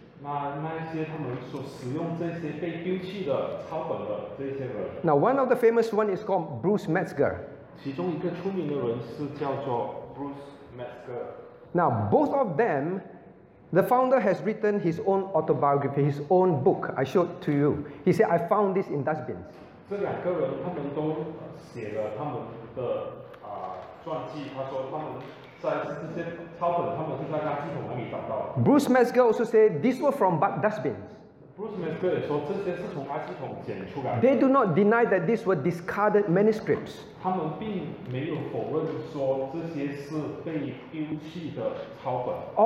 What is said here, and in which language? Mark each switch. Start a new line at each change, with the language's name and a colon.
Chinese: 那些他们所使用这些被丢弃的抄本的这些人。
English: Now one of the famous one is called Bruce Metzger.
Chinese: 其中一个出名的人是叫做 Bruce Metzger.
English: Now both of them, the founder has written his own autobiography, his own book. I showed to you. He said, "I found this in dustbins."
Chinese: 这两个人他们都写了他们的传记，他说他们。
English: Bruce Metzger also said these were from dustbins.
Chinese: Bruce Metzger 说这些是从垃圾桶捡出来的。
English: They do not deny that these were discarded manuscripts.
Chinese: 他们并没有否认说这些是被丢弃的抄本。